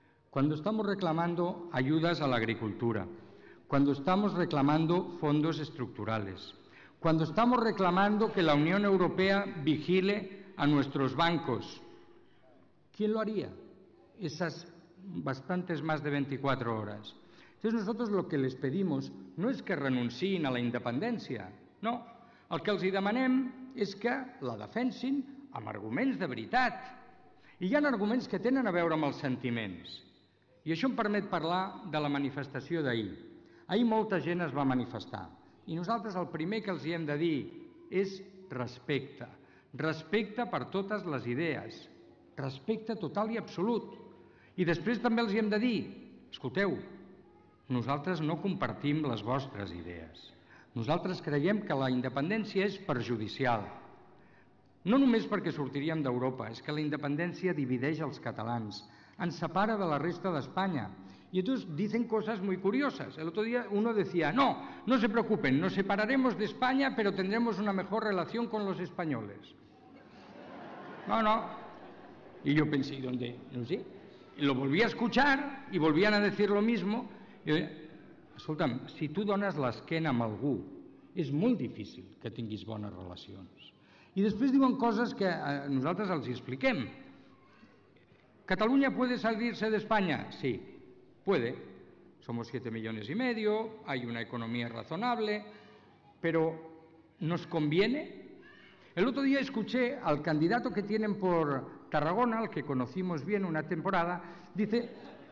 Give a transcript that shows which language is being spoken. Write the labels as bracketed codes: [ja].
[es] Cuando estamos reclamando ayudas a la agricultura, cuando estamos reclamando fondos estructurales, cuando estamos reclamando que la Unión Europea vigile a nuestros bancos, ¿quién lo haría? Esas bastantes más de 24 horas. Entonces nosotros lo que les pedimos no es que [ca] renunciïn a la independència, [es] no. [ca] El que els hi demanem és que la defensin amb arguments de veritat. I hi ha arguments que tenen a veure amb els sentiments. I això em permet parlar de la manifestació d'ahir. Ahir molta gent es va manifestar. I nosaltres el primer que els hi hem de dir és respecte. Respecte per totes les idees. Respecte total i absolut. I després també els hi hem de dir, escolteu, nosaltres no compartim les vostres idees. Nosaltres creiem que la independència és perjudicial. No només perquè sortiríem d'Europa, és que la independència divideix els catalans, ens separa de la resta d'Espanya. I llavors dicen coses molt curioses. [es] El otro dia uno decía, no, no se preocupen, nos separaremos de España, pero tendremos una mejor relación con los españoles. No, no. Y yo pensé, ¿y dónde? No sé. Y lo volví a escuchar y volvían a decir lo mismo. Y yo, [ca] escolta'm, si tu dones l'esquena amb algú, és molt difícil que tinguis bones relacions. I després diuen coses que nosaltres els expliquem. [es] ¿Catalunya puede salirse de España? Sí, puede. Somos 7,5 millones, hay una economía razonable, pero ¿nos conviene? El otro día escuché al candidato que tienen por Tarragona, al que conocimos bien una temporada, dice...